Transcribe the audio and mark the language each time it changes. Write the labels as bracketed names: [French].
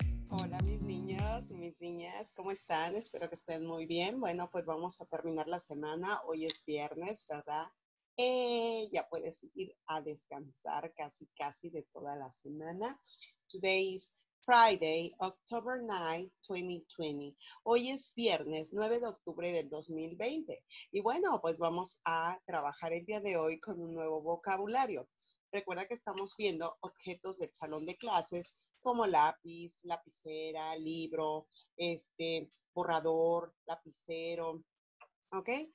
[Spanish] Hola mis niñas, ¿cómo están? Espero que estén muy bien. Bueno, pues vamos a terminar la semana. Hoy es viernes, ¿verdad? Ya puedes ir a descansar casi, casi de toda la semana. [English] Today is Friday, October 9, 2020. [Spanish] Hoy es viernes, 9 de octubre del 2020. Y bueno, pues vamos a trabajar el día de hoy con un nuevo vocabulario. Recuerda que estamos viendo objetos del salón de clases, como lápiz, lapicera, libro, borrador, lapicero. ¿Ok?